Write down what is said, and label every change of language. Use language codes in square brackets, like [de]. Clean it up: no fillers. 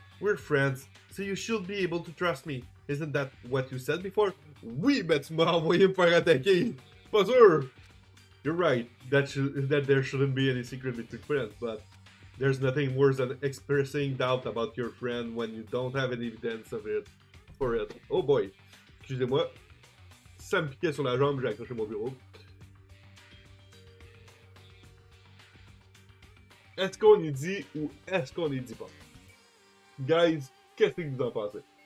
[en] We're friends, so you should be able to trust me. Isn't that what you said before? [fr] Oui, mais tu m'as envoyé me faire attaquer! Pas sûr! [en] You're right, that there shouldn't be any secret between friends, but there's nothing worse than expressing doubt about your friend when you don't have any evidence for it. Oh boy! [fr] Excusez-moi. Ça me piquait sur la jambe, j'ai accroché mon bureau. Est-ce qu'on y dit ou est-ce qu'on y dit pas? Guys, qu'est-ce que vous en pensez?